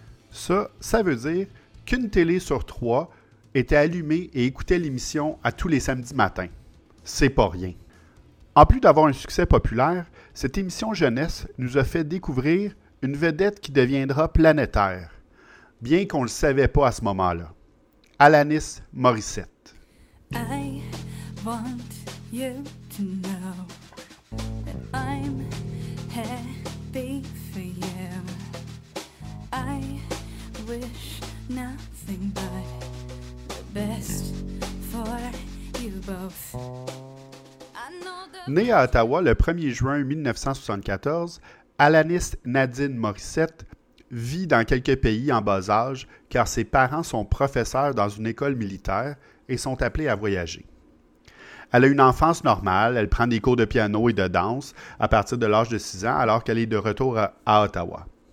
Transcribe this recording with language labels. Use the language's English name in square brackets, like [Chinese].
[French] Ça veut dire qu'une télé sur trois était allumée et écoutait l'émission à tous les samedis matins. C'est pas rien. En plus d'avoir un succès populaire, cette émission jeunesse nous a fait découvrir une vedette qui deviendra planétaire, bien qu'on ne le savait pas à ce moment-là. Alanis Morissette. [English] I want you to know that I'm happy for you. I wish nothing but the best for you both. [French] Née à Ottawa le 1er juin 1974, Alanis Nadine Morissette vit dans quelques pays en bas âge car ses parents sont professeurs dans une école militaire et sont appelés à voyager. Elle a une enfance normale, elle prend des cours de piano et de danse à partir de l'âge de 6 ans alors qu'elle est de retour à Ottawa.